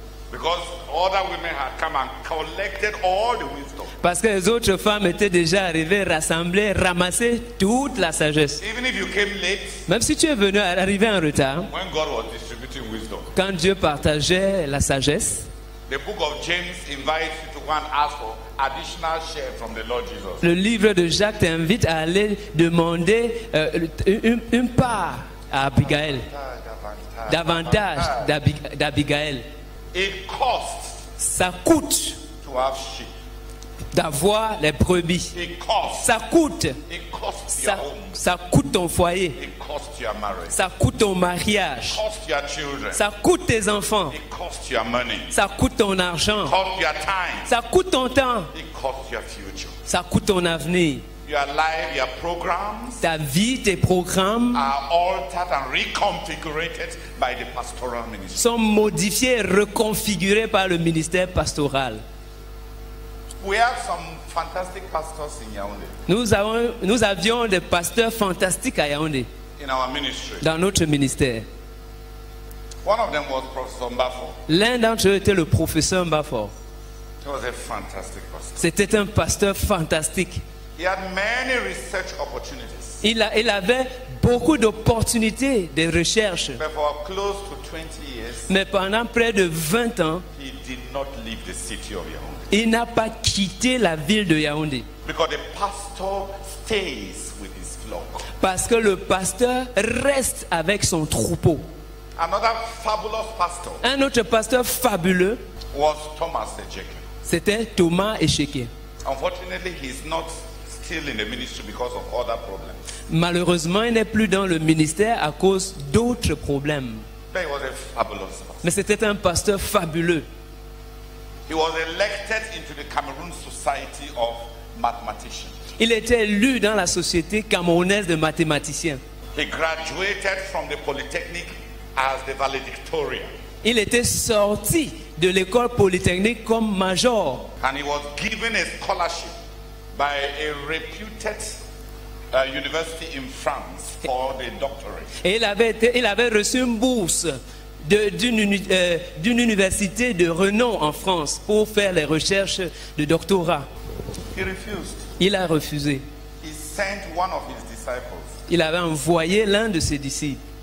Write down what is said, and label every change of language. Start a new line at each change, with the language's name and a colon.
English: Because other women had come and collected all the wisdom.
French: Parce que les autres femmes étaient déjà arrivées, rassemblées, ramassées toute la sagesse.
English: Even if you came late,
French: même si tu es venu arriver en retard,
English: when God was distributing wisdom,
French: quand Dieu partageait la sagesse,
English: the book of James invites you to go and ask for additional share from the Lord Jesus.
French: Le livre de Jacques t'invite à aller demander une part à Abigail. Davantage d'Abigail.
English: It costs.
French: Ça coûte.
English: To have sheep.
French: D'avoir les brebis.
English: It costs.
French: Ça coûte.
English: It costs
French: ça,
English: your home.
French: Ça coûte ton foyer.
English: It costs your marriage.
French: Ça coûte ton mariage.
English: It costs your children.
French: Ça coûte tes enfants.
English: It costs your money.
French: Ça coûte ton argent.
English: It costs your time.
French: Ça coûte ton temps.
English: It costs your future.
French: Ça coûte ton avenir.
English: Your life, your programs,
French: ta vie, tes programmes
English: are altered and reconfigured by the pastoral ministry.
French: Sont modifiés et reconfigurés par le ministère pastoral.
English: We have some fantastic pastors in Yaoundé.
French: Nous avions des pasteurs fantastiques à Yaoundé.
English: In our ministry.
French: Dans notre ministère.
English: One of them was Professor Mbafor.
French: L'un d'entre eux était le professeur Mbafor.
English: He was a fantastic pastor.
French: C'était un pasteur fantastique.
English: He had many research opportunities.
French: Il avait beaucoup d'opportunités de recherche.
English: But for close to 20 years,
French: mais pendant près de 20 ans,
English: he did not leave the city of Yaoundé.
French: Il n'a pas quitté la ville de Yaoundé.
English: Because the pastor stays with his flock.
French: Parce que le pasteur reste avec son troupeau.
English: Another fabulous pastor.
French: Un autre pasteur fabuleux.
English: Was Thomas Ejeke.
French: C'était Thomas Ejeke.
English: Unfortunately, he is not still in the ministry because of other problems.
French: Malheureusement, il n'est plus dans le ministère à cause d'autres problèmes.
English: But he was a fabulous pastor.
French: Mais c'était un pasteur fabuleux.
English: He was elected into the Cameroon Society of Mathematicians.
French: Il était élu dans la société camerounaise de mathématiciens.
English: He graduated from the polytechnic as the valedictorian.
French: Il était sorti de l'école polytechnique comme major.
English: And he was given a scholarship by a reputed university in France for the doctorate.
French: Et il avait reçu une bourse d'une université de renom en France pour faire les recherches de doctorat.
English: He refused.
French: Il a refusé.
English: He sent one of his disciples.
French: Il avait envoyé l'un de ses disciples.